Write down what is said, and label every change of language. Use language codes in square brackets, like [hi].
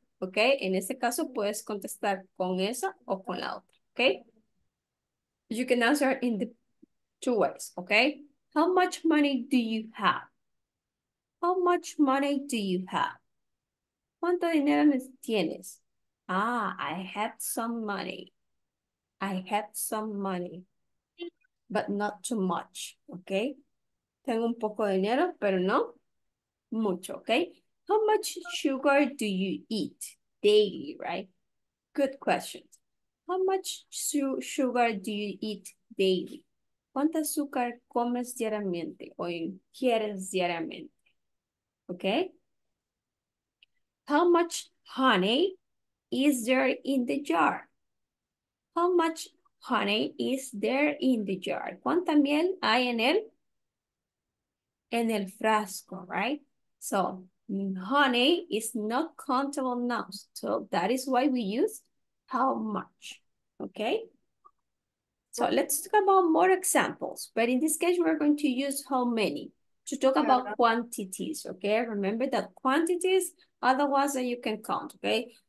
[es] Okay, en este caso puedes contestar con esa o con la otra. [en] Okay, you can answer in the two ways. Okay. How much money do you have? How much money do you have? [es] ¿Cuánto dinero tienes? [en] Ah, I have some money. I have some money, but not too much, okay? [es] Tengo un poco de dinero, pero no mucho, okay? [en] How much sugar do you eat daily, right? Good question. How much sugar do you eat daily? [es] ¿Cuánto azúcar comes diariamente o ingieres diariamente? Okay. [en] How much honey is there in the jar? How much honey is there in the jar? [es] ¿Cuánta miel hay en el frasco, right? So [en] Honey is not countable nouns, so that is why we use how much, okay? So let's talk about more examples, but in this case, we're going to use how many to talk about quantities, okay? Remember that quantities are the ones that you can count, okay?